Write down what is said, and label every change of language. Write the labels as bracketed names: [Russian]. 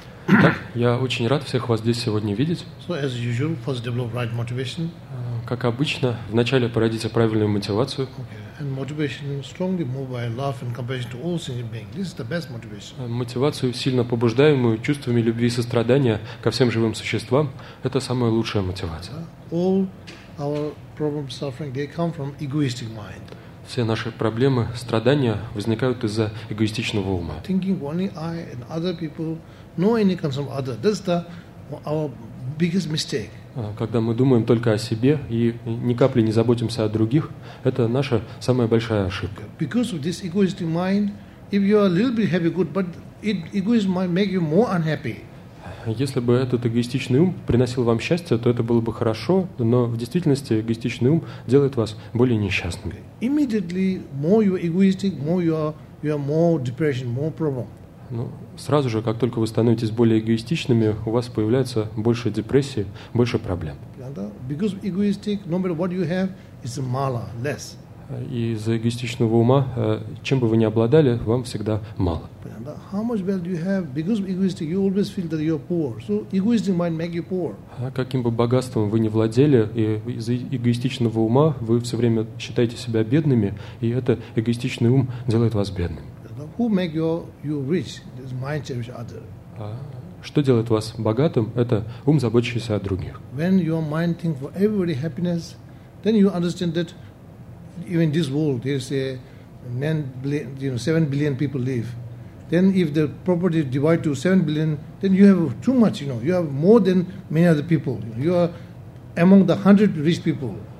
[Russian] Итак, я очень рад всех вас здесь сегодня видеть. [English] So as usual, first develop right motivation. [Russian] Как обычно, вначале породите правильную мотивацию. [English] Okay. And motivation strongly moved by love and compassion to all sentient beings. This is the best motivation. [Russian] Мотивацию, сильно побуждаемую чувствами любви и сострадания ко всем живым существам, это самая лучшая мотивация. [English] All our problems, suffering, they come from egoistic mind. [Russian] Все наши проблемы, страдания возникают из-за эгоистичного ума. [English] Thinking only I and other people know any concern of other. This is our biggest mistake. [Russian] Когда мы думаем только о себе и ни капли не заботимся о других, это наша самая большая ошибка. [English] Because of this egoistic mind, if you are a little bit happy, good, but it egoist mind make you more unhappy. [Russian] Если бы этот эгоистичный ум приносил вам счастье, то это было бы хорошо, но в действительности эгоистичный ум делает вас более несчастным. [English] Immediately more you are egoistic, more you are more depression, more problem. [Russian] Ну, сразу же, как только вы становитесь более эгоистичными, у вас появляется больше депрессии, больше проблем. [English] Because egoistic, no matter what you have, it's mala, less. [Russian] И из-за эгоистичного ума, чем бы вы ни обладали, вам всегда мало. [English] How much wealth you have? Because egoistic, you always feel that you're poor. So egoistic mind make you poor. [Russian] Каким бы богатством вы ни владели, и из-за эгоистичного ума вы все время считаете себя бедными, и это эгоистичный ум делает вас бедным. [English] Who make you rich? This mind cherish other. [Russian] Что делает вас богатым? Это ум, заботящийся о других. [English] When your mind think for everybody happiness, then you understand that. Even this world, there's a 9 billion, you know, 7 billion people live. Then, if the property divide to 7 billion, then you have too much. You know, you have more than many other people. You are among the 100 rich people.